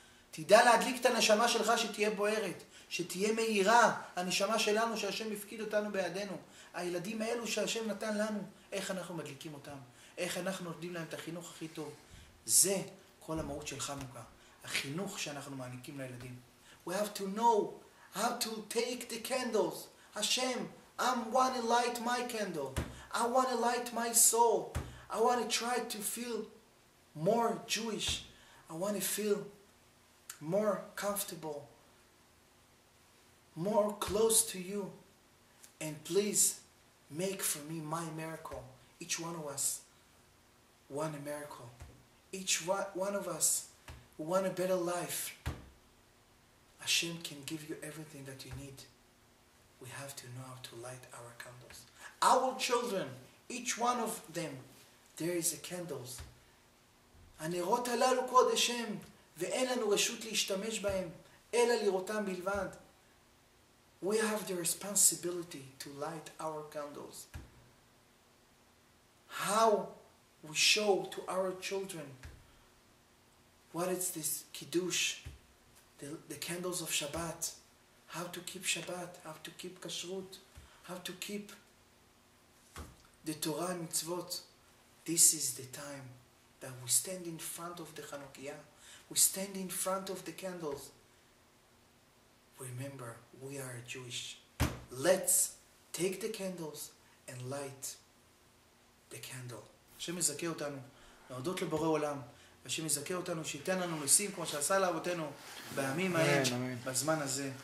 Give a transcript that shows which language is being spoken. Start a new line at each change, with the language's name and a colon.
Hebrew: תדע להדליק את הנשמה שלך שתהיה בוערת, שתהיה מהירה, הנשמה שלנו שהשם יפקיד אותנו בידינו. הילדים האלו שהשם נתן לנו, איך אנחנו מדליקים אותם? איך אנחנו נותנים להם את החינוך הכי טוב? זה כל המהות של חנוכה, החינוך שאנחנו מעניקים לילדים.
English: We have to know how to take the candles. Hashem, I want to light my candle. I want to light my soul. I want to try to feel more Jewish. I want to feel more comfortable, more close to you. And please make for me my miracle. Each one of us want a miracle. Each one of us want a better life. Hashem can give you everything that you need. We have to know how to light our candles. Our children, each one of them, there is a candles.
Hebrew: הנרות הללו קודש הם, ואין לנו רשות להשתמש בהם, אלא לראותם בלבד.
English: We have the responsibility to light our candles. How we show to our children what is this kiddush, the candles of Shabbat, how to keep Shabbat, how to keep kashrut, how to keep the Torah and mitzvot. This is the time that we stand in front of the Chanukiah, we stand in front of the candles. Remember, we are Jewish. Let's take the candles and light the candle.
Hebrew: השם יזכה אותנו, להודות לבורא עולם, השם יזכה אותנו, שייתן לנו נסים כמו שעשה לאבותינו בימים ההם, בזמן הזה.